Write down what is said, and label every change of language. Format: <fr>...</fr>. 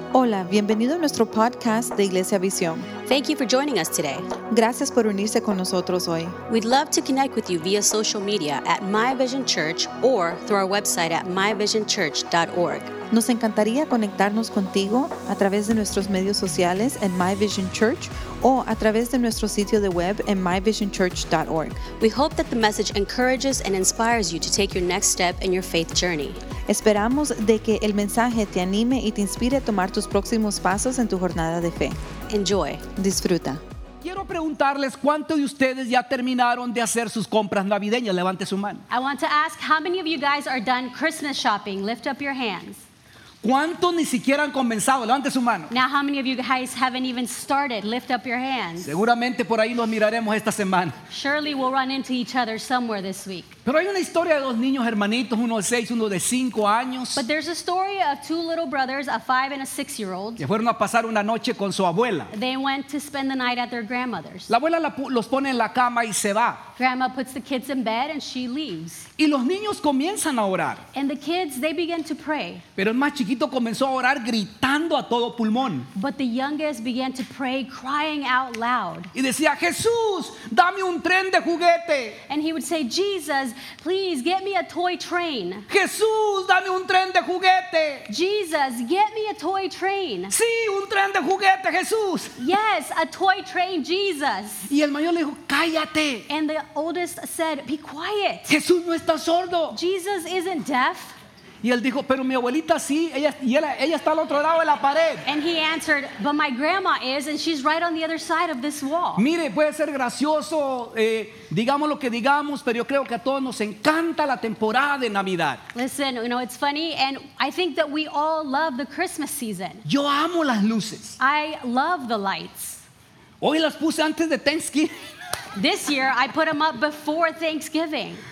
<es>Hola, bienvenido a nuestro podcast de Iglesia Visión.</es> <en>Thank you for joining us today.</en> <es>Gracias por unirse con nosotros hoy.</es> <en>We'd love to connect with you via social media at My Vision Church or through our website at myvisionchurch.org.</en> <es>Nos encantaría conectarnos contigo a través de nuestros medios sociales en My Vision Church o a través de nuestro sitio de web en myvisionchurch.org.</es> <en>We hope that the message encourages and inspires you to take your next step in your faith journey.</en> <es>Esperamos de que el mensaje te anime y te inspire a tomar tus próximos pasos en tu jornada de fe.</es> <en>Enjoy.</en> <es>Disfruta. Quiero preguntarles cuántos de ustedes ya terminaron de hacer sus compras navideñas. Levante su mano.</es> <en>I want to ask how many of you guys are done Christmas shopping. Lift up your hands.</en> <es>¿Cuántos ni siquiera han comenzado? Levante su mano.</es> <en>Now how many of you guys haven't even started? Lift up your hands.</en> <es>Seguramente por ahí nos miraremos esta semana.</es> <en>Surely we'll run into each other somewhere this week.</en> <es>Pero hay una historia de dos niños hermanitos, uno de 6, uno de 5 años.</es> <en>But there's a story of two little brothers, a 5 and a 6 year old.</en> <es>Que fueron a pasar una noche con su abuela.</es> <en>They went to spend the night at their grandmother's.</en> <es>La abuela los pone en la cama y se va.</es> <en>Grandma puts the kids in bed and she leaves.</en> <es>Y los niños comienzan a orar.</es> <en>And the kids, they begin to pray.</en> <es>Pero el más chiquito comenzó a orar gritando a todo pulmón.</es> <en>But the youngest began to pray crying out loud.</en> <es>Y decía, Jesús, dame un tren de juguete.</es> <en>And he would say, Jesus, please get me a toy train.</en> <es>Jesús, dame un tren de juguete.</es> <en>Jesus, get me a toy train.</en> <es>Sí, un tren de juguete, Jesús.</es> <en>Yes, a toy train, Jesus.</en> <es>Y el mayor le dijo, cállate.</es> <en>And the oldest said, be quiet.</en> <es>Jesús no está sordo.</es> <en>Jesus isn't deaf.</en> <es>Y él dijo, pero mi abuelita sí, ella está al otro lado de la pared.</es> <en>And he answered, but my grandma is, and she's right on the other side of this wall.</en> <es>Mire, puede ser gracioso, digamos lo que digamos, pero yo creo que a todos nos encanta la temporada de Navidad.</es> <en>Listen, you know, it's funny, and I think that we all love the Christmas season.</en> <es>Yo amo las luces.</es> <en>I love the lights.</en> <es>Hoy las puse antes de Thanksgiving.</es> <en>This year, I put them up before Thanksgiving.</en>